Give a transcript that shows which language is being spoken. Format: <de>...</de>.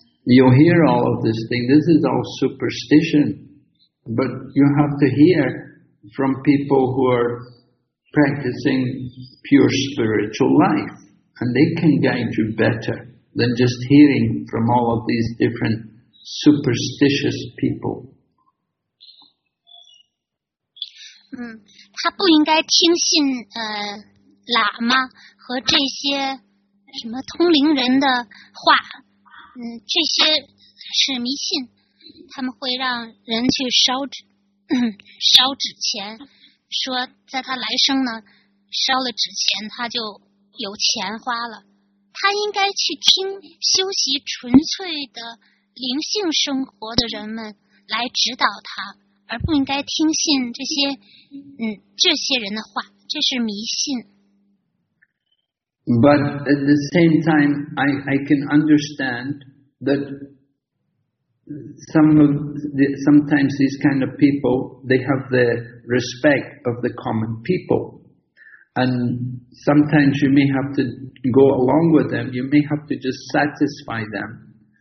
<en>You'll hear all of this thing. This is all superstition, but you have to hear from people who are practicing. Pure spiritual life, and they can guide you better than just hearing from all of these different superstitious people.</en> <zh>他不应该听信喇嘛和这些什么通灵人的话，这些是迷信，他们会让人去烧纸钱，说在他来生呢烧了纸钱他就有钱花了，他应该去听修习纯粹的灵性生活的人们来指导他，而不应该听信这些人的话，这是迷信。</zh> <en>But at the same time, I can understand that sometimes these kind of people, they have the respect of the common people. And sometimes you may have to go along with them, you may have to just satisfy them.</en>